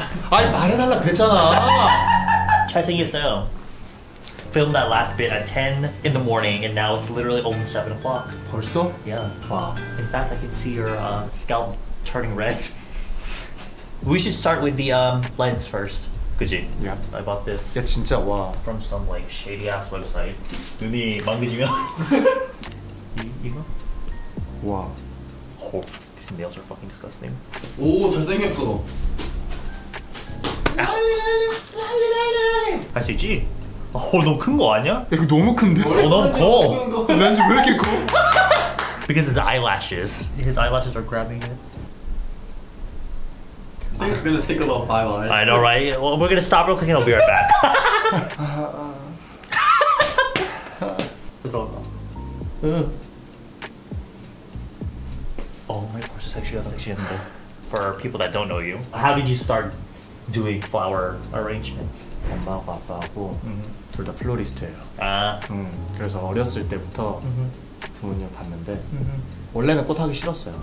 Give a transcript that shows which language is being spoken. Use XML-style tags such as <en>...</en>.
<ko>아니 말해달라 그랬잖아! 잘생겼어요.</ko> <en>Filmed that last bit at 10 in the morning and now it's literally almost 7 o'clock.</en> <ko>벌써?</ko> <en>Yeah. Wow. In fact, I can see your scalp turning red. We should start with the lens first.</en> <ko>그치?</ko> <en>Yeah. I bought this.</en> <ko>야 진짜 와.</ko> <en>From some like shady ass website.</en> <ko>눈이 망가지면. 이거? 와.</ko> <en>Oh, these nails are fucking disgusting.</en> <ko>Oh, 잘생겼어. 할 수 있지? 아, 헐, 너무 큰 거 아니야? 야, 이거 너무 큰데? 어, 너무 커. 렌즈 왜 이렇게 커?</ko> <en>Because his eyelashes. His eyelashes are grabbing it. I think it's gonna take a little 5 hours. I know, right? Well, we're gonna stop real quick and I'll be right back. 근데, for people that don't know you, how did you start doing flower arrangements?</en> <ko>엄마하고 아빠하고 둘 다 플로리스트예요. 아, 그래서 어렸을 때부터 부모님을 봤는데 원래는 꽃 하기 싫었어요.</ko>